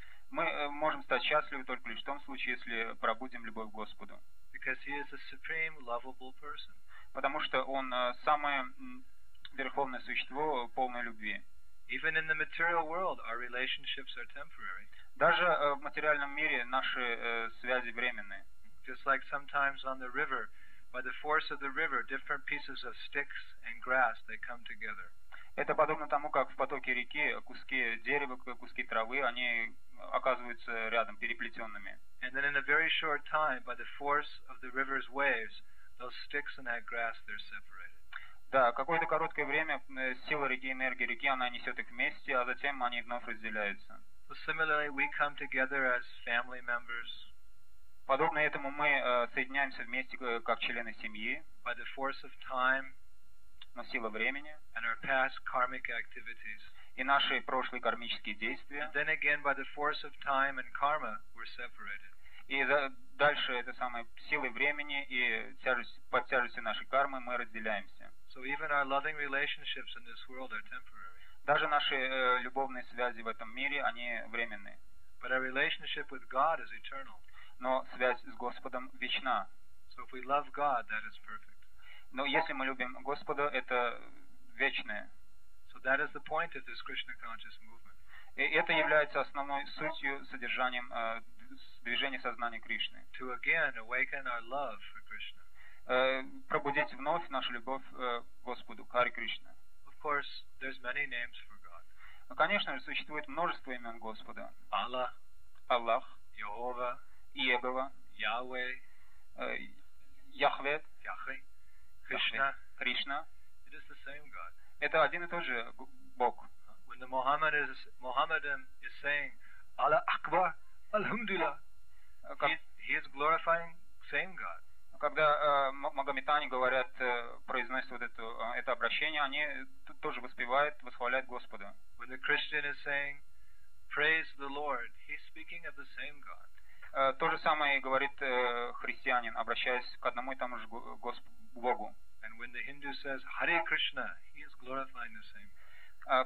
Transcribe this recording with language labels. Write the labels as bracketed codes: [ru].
[ru] Мы можем стать счастливы только лишь в том случае, если пробудим любовь к Господу. [en] Because he is a supreme, lovable person. [ru] Потому что Он самое верховное существо, полное любви. [en] Even in the material world, our relationships are temporary. [ru] Даже в материальном мире наши связи временные. [en] Just like sometimes on the river, by the force of the river, different pieces of sticks and grass they come together. [ru] Это подобно тому, как в потоке реки куски дерева, куски травы, они оказываются рядом, переплетенными. [en] And then, in a very short time, by the force of the river's waves, those sticks and that grass they're separated. [ru] Да, какое-то короткое время сила реки, энергия реки, она несет их вместе, а затем они вновь разделяются. [en] So similarly, we come together as family members. [ru] Подобно этому мы соединяемся вместе как члены семьи, [en] by the force of time, [ru] но сила времени, [en] and our past karmic activities, [ru] и наши прошлые кармические действия, [en] and then again by the force of time and karma, we're separated. [ru] И дальше это самое силы времени и под тяжестью нашей кармы мы разделяемся. [en] So even our loving relationships in this world are temporary. [ru] Даже наши любовные связи в этом мире они временные. [en] But our relationship with God is eternal. [ru] Но связь с Господом вечна. [en] So if we love God, that is perfect. [ru] Но если мы любим Господа, это вечное. [en] So that is the point of this Krishna conscious movement. [ru] И это является основной сутью, содержанием движение сознания Кришны. [en] To again awaken our love for Krishna. [ru] Пробудить вновь нашу любовь Господу, Харе Кришна. [en] Of course, there's many names for God. [ru] Конечно же, существует множество имен Господа. Аллах, Аллах, Иегова, Иегова, Яхве, Яхве, Яхве, Кришна, Кришна. [en] It is the same God. [ru] Это один и тот же Бог. [en] When the Mohammedan is saying [ar] Аллах Акбар, Алхамдулиллах, [en] he is glorifying same God. [ru] Когда магометане говорят, произносят вот это обращение, они тоже воспевают, восхваляют Господа. [en] When the Christian is saying praise the Lord, he's speaking of the same God. [ru] То же самое говорит христианин, обращаясь к одному и тому же Богу. [en] And when the Hindu says Hare Krishna, he is glorifying the same.